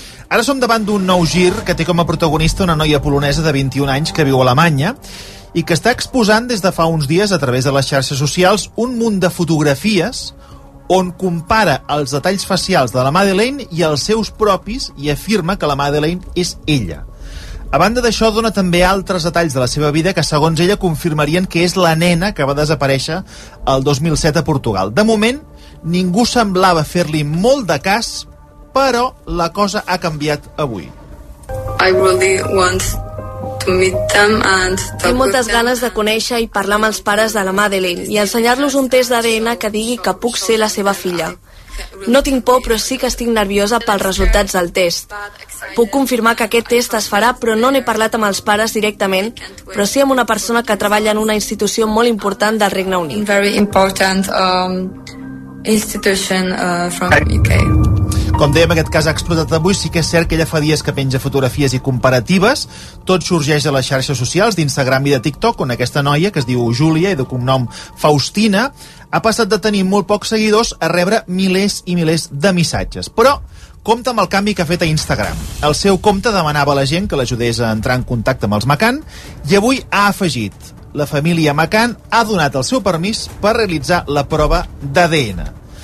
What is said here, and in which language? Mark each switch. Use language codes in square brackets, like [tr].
[ca] Ara som davant d'un nou gir que té com a protagonista una noia polonesa de 21 anys que viu a Alemanya i que està exposant des de fa uns dies a través de les xarxes socials un munt de fotografies on compara els detalls facials de la Madeleine i els seus propis i afirma que la Madeleine és ella. A banda d'això, dona també altres detalls de la seva vida que, segons ella, confirmarien que és la nena que va desaparèixer el 2007 a Portugal. De moment, ningú semblava fer-li molt de cas, però la cosa ha canviat avui. [en] I really want to meet them and talk. [ca] Tinc moltes ganes de conèixer i parlar amb els pares de la Madeleine i ensenyar-los un test d'ADN que digui que puc ser la seva filla. No tinc por, però sí que estic nerviosa pels resultats del test. Puc confirmar que aquest test es farà, però no n'he parlat amb els pares directament, però sí amb una persona que treballa en una institució molt important del Regne Unit. [en] In very important institution from UK. [ca] Com dèiem, aquest cas ha explotat avui. Sí que és cert que ella fa dies que penja fotografies i comparatives. Tot sorgeix a les xarxes socials, d'Instagram i de TikTok, on aquesta noia, que es diu Júlia i de cognom Faustina, ha passat de tenir molt pocs seguidors a rebre milers i milers de missatges. Però compta amb el canvi que ha fet a Instagram. El seu compte demanava a la gent que l'ajudés a entrar en contacte amb els McCann i avui ha afegit: la família McCann ha donat el seu permís per realitzar la prova d'ADN.